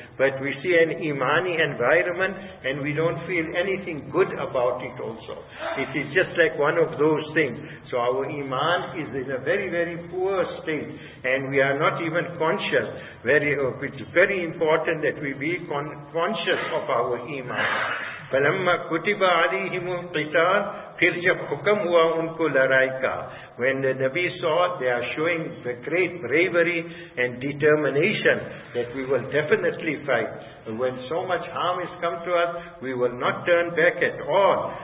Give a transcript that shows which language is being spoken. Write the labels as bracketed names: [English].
[English] But we see an imani environment and we don't feel anything good about it also. It is just like one of those things. So our iman is in a very, very poor state and we are not even conscious. It's very important that we be conscious of our iman. [Arabic] فَلَمَّا كُتِبَ عَلِيهِمُ الْقِتَالِ [Urdu] پھر جب حکم ہوا ان کو لڑائی کا. [English] When the Nabi saw they are showing the great bravery and determination that we will definitely fight. When so much harm has come to us, we will not turn back at all.